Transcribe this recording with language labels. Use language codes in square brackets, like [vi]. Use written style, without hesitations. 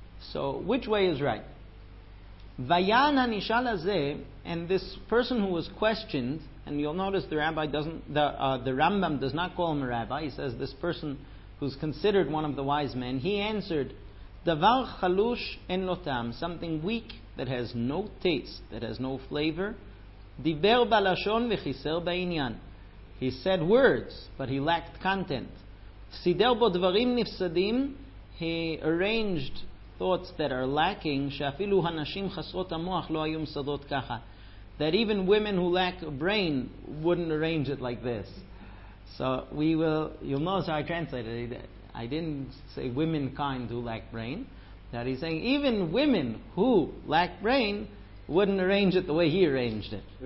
[en] So, which way is right? Vayana nishala ze, and this person who was questioned, and you'll notice the Rambam does not call him a rabbi. He says this person who's considered one of the wise men. He answered, [he] דבר חלוש אין לו טעם, [en] something weak that has no taste, that has no flavor. [he] דיבר בלשון וחיסר בעניין. [en] He said words, but he lacked content. [he] סידר בו דברים נפסדים. [en] He arranged thoughts that are lacking, [he] שאפילו הנשים חסרות המוח לא היו מסדות ככה. [en] That even women who lack a brain wouldn't arrange it like this. So we will, you'll notice how I translated it. I didn't say womankind who lack brain. That he's saying even women who lack brain wouldn't arrange it the way he arranged it.